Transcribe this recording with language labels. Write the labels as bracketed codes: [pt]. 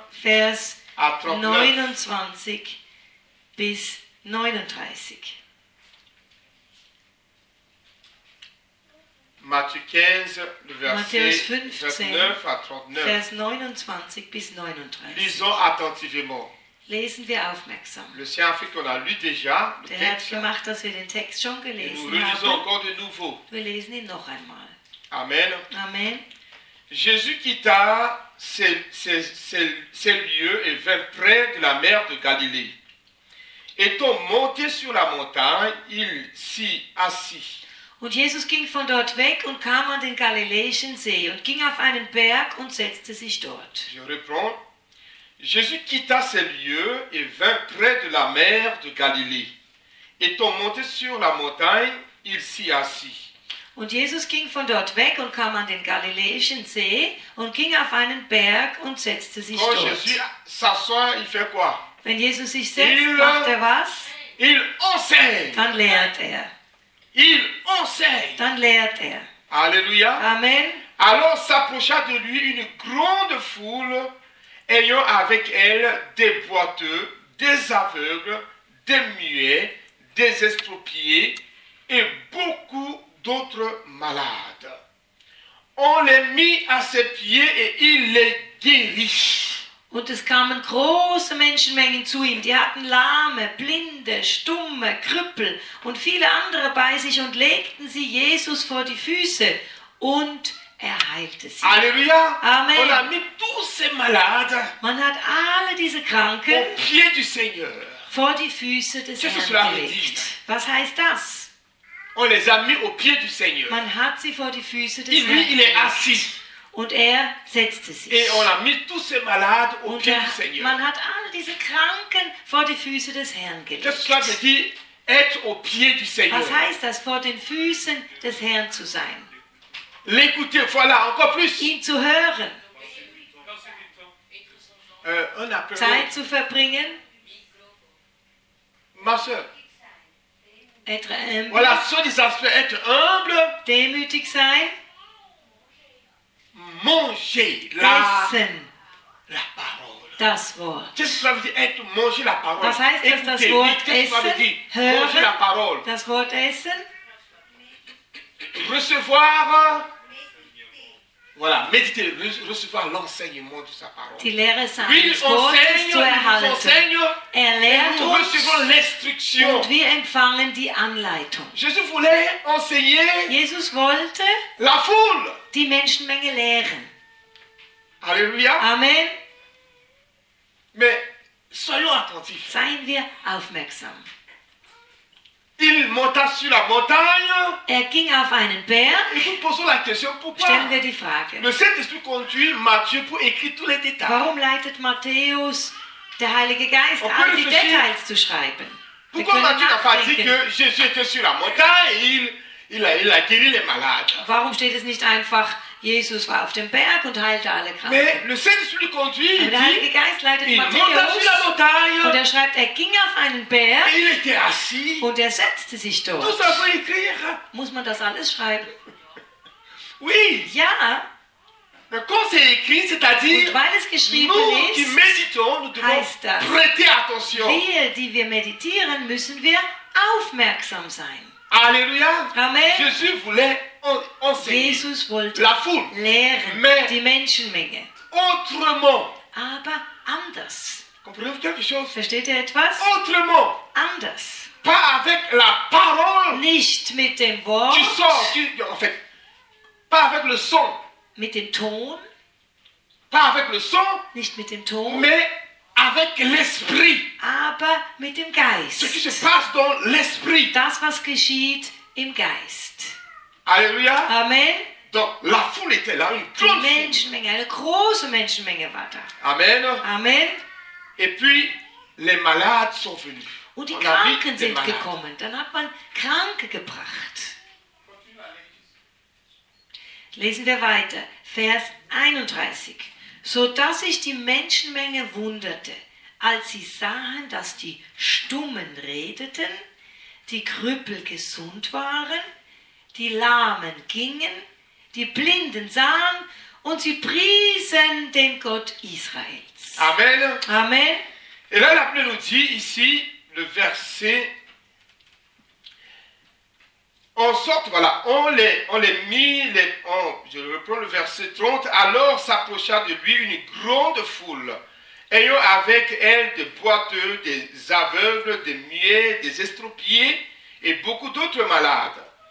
[de] Vers 29 bis 39. [fr] Matthieu 15, le verset 29 à 39. [de] Vers 29 bis 39. [fr] Lisons attentivement. [de] Lesen wir aufmerksam. [fr] Le Seigneur a fait qu'on a lu déjà le texte. [de] Der Herr hat gemacht, dass wir den Text schon gelesen haben. [fr] Et nous relisons encore de nouveau. [de] Wir lesen ihn noch einmal. Amen. Amen. [fr] Jésus quitta ces lieux et vint près de la mer de Galilée. Étant monté sur la montagne, il s'y assit. [de] Und Jesus ging von dort weg und kam an den Galiläischen See und ging auf einen Berg und setzte sich dort. [fr] Je reprends. Jésus quitta ces lieux et vint près de la mer de Galilée. Étant monté sur la montagne, il s'y assit. [de] Und Jesus ging von dort weg und kam an den Galiläischen See und ging auf einen Berg und setzte sich [fr] Quand [de] dort. [fr] Jésus s'assoit, il fait quoi? [de] Wenn Jesus sich setzt, macht er was? [fr] Il enseigne. [de] Dann lehrt er. [fr] Il enseigne. [de] Dann lehrt er. Alléluia. Amen. [fr] Alors s'approcha de lui une grande foule ayant avec elle des boiteux, des aveugles, des muets, des estropiés et beaucoup d'autres malades. On les mit à ses pieds et il les guérit. [de] Und es kamen große Menschenmengen zu ihm, die hatten Lahme, Blinde, Stumme, Krüppel und viele andere bei sich und legten sie Jesus vor die Füße und er heilte sie. Alléluia. Amen. [fr] On a mis tous ces malades. [de] Man hat alle diese Kranken [fr] au pied du Seigneur. [de] Vor die Füße des [fr] Qu'est-ce [de] Herrn [fr] que cela veut dire? [de] Was heißt das? [fr] On les a mis au pied du Seigneur. [de] Man hat sie vor die Füße des [fr] Et [de] Herrn [fr] il est assis. [de] Und er setzte sich. [fr] Et on a mis tous ces malades au [de] Und [fr] pied du Seigneur. [de] Man hat alle diese Kranken vor die Füße des Herrn gelegt. [fr] Qu'est-ce que cela veut dire? Être au pied du Seigneur. [de] Was heißt das, vor den Füßen des Herrn zu sein? [fr] L'écouter, voilà, encore plus. [de] Ihn zu hören. Zeit zu verbringen. [fr] Ma soeur. Être humble. Voilà, ça, des aspects. Être humble. [de] Demütig sein. [fr] Manger la. [de] Essen. [fr] La parole. [de] Das Wort. [fr] Qu'est-ce que ça veut dire être manger la parole? [de] Was heißt das, das Wort essen? [fr] Manger la parole. [de] Das Wort essen. [fr] Recevoir. Voilà, méditer, recevoir l'enseignement de sa parole. [de] Die Lehre seines Wortes zu erhalten. Er lehrt uns und wir empfangen die Anleitung. [fr] Jesus voulait enseigner. [de] Jesus wollte [fr] la foule. [de] Die Menschenmenge lehren. Alléluia. Amen. [fr] Mais soyons attentifs. [de] Seien wir aufmerksam. [fr] Il monta sur la montagne. [de] Er ging auf einen Berg. [fr] Et nous posons la question, pourquoi? [de] Stellen wir die Frage. [fr] Le Saint-Esprit conduit Matthieu pour écrire tous les détails. [de] Warum leitet Matthäus, der Heilige Geist, all die Details zu schreiben? [fr] Pourquoi Matthieu n'a pas dit que Jésus était sur la montagne et il a guéri les malades? [de] Warum steht es nicht einfach, Jesus war auf dem Berg und heilte alle Kranken? [fr] Mais le Saint-Esprit conduit, [de] der Heilige Geist leitet Matthäus und er schreibt, er ging auf einen Berg [fr] et il était assis. [de] Und er setzte sich dort. [fr] Tout ça faut écrire. [de] Muss man das alles schreiben? [fr] Oui. [de] Ja. [fr] Mais quand c'est écrit, c'est-à-dire, [de] und weil es geschrieben [fr] nous, [de] ist, [fr] qui méditons, nous devons [de] heißt das, [fr] prêter attention. [de] Wir, die wir meditieren, müssen wir aufmerksam sein. Alléluia. Amen. [fr] Jésus voulait enseigner. [de] Jesus wollte [fr] la foule [de] lehren, [fr] mais [de] die Menschenmenge. [fr] Autrement. [de] Aber anders. [fr] Comprenez-vous quelque chose? [de] Versteht ihr etwas? [fr] Autrement. [de] Anders. [fr] Pas avec la parole. [de] Nicht mit dem Wort. [fr] Du sens, en fait, pas avec le son. [de] Mit dem Ton. [fr] Pas avec le son. [de] Nicht mit dem Ton. [fr] Mais avec l'esprit. [de] Aber mit dem Geist. [fr] Ce qui se passe dans l'esprit. [de] Das, was geschieht im Geist. Alléluia. Amen. [fr] Donc, la foule était là, une grande [de] die Menschenmenge, [fr] foule. [de] Eine große Menschenmenge war da. Amen. Amen. [fr] Et puis, les malades sont venus. [de] Und die Kranken sind gekommen. Dann hat man Kranke gebracht. Lesen wir weiter. Vers 31. Sodass sich die Menschenmenge wunderte, als sie sahen, dass die Stummen redeten, die Krüppel gesund waren, die Lahmen gingen, die Blinden sahen und sie priesen den Gott Israels. Amen. Amen. [fr] Et là, la Bible nous dit ici, le verset, en sorte, voilà, je reprends le verset 30, alors s'approcha de lui une grande foule, ayant avec elle des boiteux, des aveugles, des muets, des estropiés et beaucoup d'autres malades.